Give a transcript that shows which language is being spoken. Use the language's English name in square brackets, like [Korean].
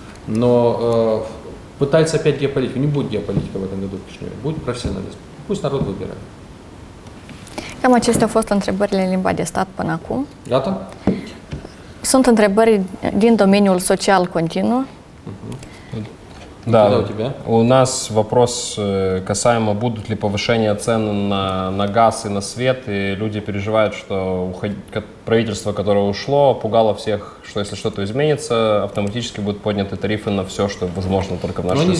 [Russian] Но пытается опять геополитика. Не будет геополитика в этом году в Кишиневе. Будет профессионализм. Пусть народ выбирает. [Romanian] Cam acestea au fost întrebările în limba de stat până acum. Gata? Sunt întrebări din domeniul social continuu. [Russian] Да, у нас вопрос касаемо, будут ли повышения цен на газ и на свет, и люди переживают, что правительство, которое ушло, пугало всех, что если что-то изменится, автоматически будут подняты тарифы на все, что возможно только в нашей республике.